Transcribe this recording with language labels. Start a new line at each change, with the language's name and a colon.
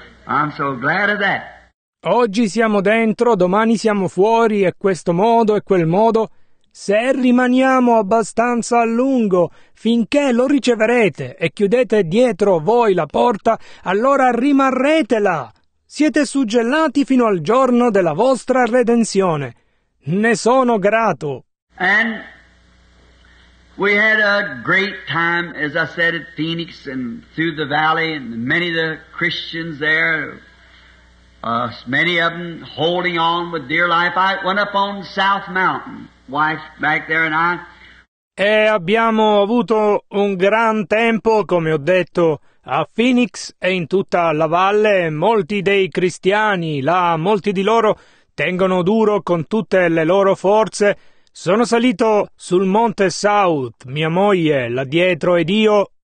English: I'm so glad of that.
Italian: Oggi siamo dentro, domani siamo fuori, e questo modo e quel modo. Se rimaniamo abbastanza a lungo, finché lo riceverete e chiudete dietro voi la porta, allora rimarrete là. Siete suggellati fino al giorno della vostra redenzione. Ne sono grato.
English: And we had a great time, as I said, at Phoenix and through the valley, and many of the Christians there. Many of them holding on with dear life. I went up on South Mountain, wife back there and I.
Italian: E abbiamo avuto un gran tempo, come ho detto, a Phoenix e in tutta la valle. Molti dei cristiani là, molti di loro, tengono duro con tutte le loro forze. Sono salito sul Monte South, mia moglie là dietro ed io.